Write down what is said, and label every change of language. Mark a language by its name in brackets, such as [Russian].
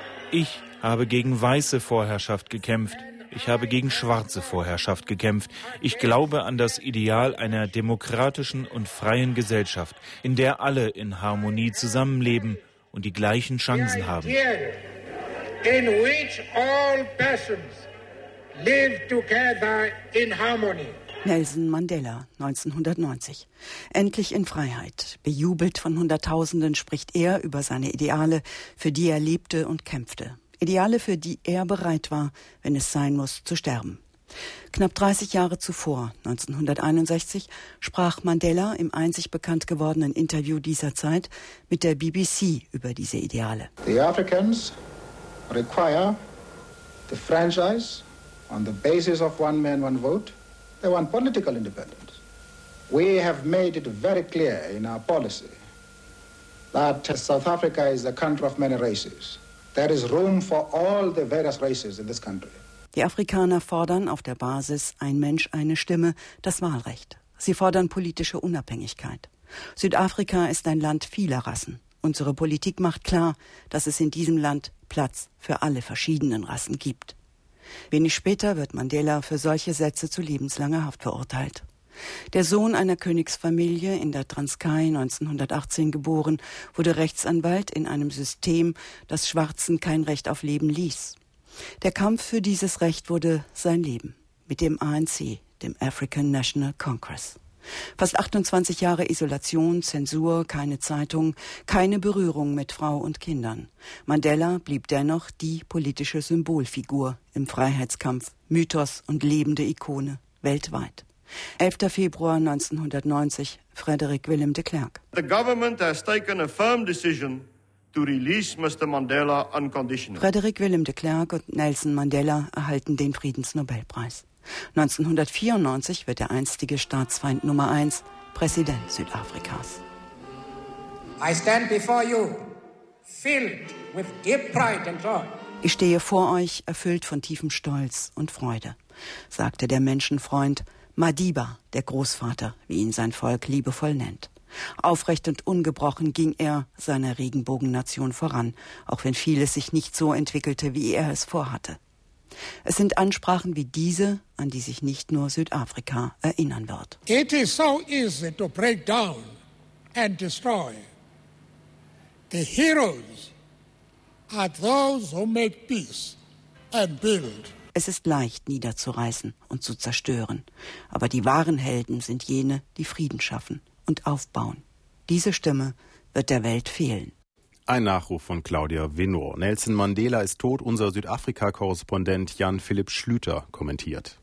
[German] Ich habe gegen weiße Vorherrschaft gekämpft. Ich habe gegen schwarze Vorherrschaft gekämpft. Ich glaube an das Ideal einer demokratischen und freien Gesellschaft, in der alle in Harmonie zusammenleben und die gleichen Chancen haben. [English] In which all persons live together in harmony. [German] Nelson Mandela, 1990. Endlich in Freiheit. Bejubelt von Hunderttausenden spricht er über seine Ideale, für die er lebte und kämpfte. Ideale, für die er bereit war, wenn es sein muss, zu sterben. Knapp 30 Jahre zuvor, 1961, sprach Mandela im einzig bekannt gewordenen Interview dieser Zeit mit der BBC über diese Ideale. [English] The Africans require the franchise on the basis of one man, one vote. They want political independence. We have made it very clear in our policy that South Africa is a country of many races. There is room for all the various races in this country. [German] Die Afrikaner fordern auf der Basis ein Mensch, eine Stimme, das Wahlrecht. Sie fordern politische Unabhängigkeit. Südafrika ist ein Land vieler Rassen. Unsere Politik macht klar, dass es in diesem Land Platz für alle verschiedenen Rassen gibt. Wenig später wird Mandela für solche Sätze zu lebenslanger Haft verurteilt. Der Sohn einer Königsfamilie, in der Transkei 1918 geboren, wurde Rechtsanwalt in einem System, das Schwarzen kein Recht auf Leben ließ. Der Kampf für dieses Recht wurde sein Leben, mit dem ANC, dem African National Congress. Fast 28 Jahre Isolation, Zensur, keine Zeitung, keine Berührung mit Frau und Kindern. Mandela blieb dennoch die politische Symbolfigur im Freiheitskampf, Mythos und lebende Ikone weltweit. 11. Februar 1990, Frederick Willem de Klerk. [English] The government has taken a firm decision to release Mr. Mandela unconditionally. [German] Frederick Willem de Klerk und Nelson Mandela erhalten den Friedensnobelpreis. 1994 wird der einstige Staatsfeind Nummer 1 Präsident Südafrikas. [English] I stand before you, filled with deep pride and joy. [German] Ich stehe vor euch erfüllt von tiefem Stolz und Freude, sagte der Menschenfreund Madiba, der Großvater, wie ihn sein Volk liebevoll nennt. Aufrecht und ungebrochen ging er seiner Regenbogennation voran, auch wenn vieles sich nicht so entwickelte, wie er es vorhatte. Es sind Ansprachen wie diese, an die sich nicht nur Südafrika erinnern wird. [English] It is so easy to break down and destroy. The heroes are those who make peace and build. [German] Es ist leicht, niederzureißen und zu zerstören. Aber die wahren Helden sind jene, die Frieden schaffen und aufbauen. Diese Stimme wird der Welt fehlen. Ein Nachruf von Claudia Winor. Nelson Mandela ist tot, unser Südafrika-Korrespondent Jan-Philipp Schlüter kommentiert.